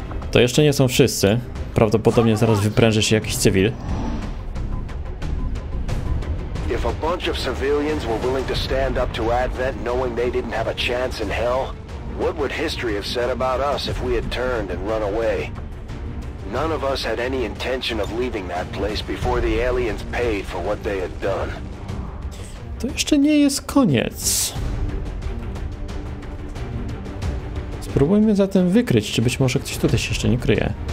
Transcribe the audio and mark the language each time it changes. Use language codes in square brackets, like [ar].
[pl] To jeszcze nie są wszyscy. Prawdopodobnie zaraz wypręży się jakiś cywil. [en] Bunch of civilians were willing to stand up to Advent knowing they didn't have a chance in hell. What would history have said about us if we had turned and run away? None of us had any intention of leaving that place before the aliens paid for what they had done. [pl] To jeszcze nie jest koniec. Spróbujmy zatem wykryć, czy być może ktoś tutaj się jeszcze nie kryje.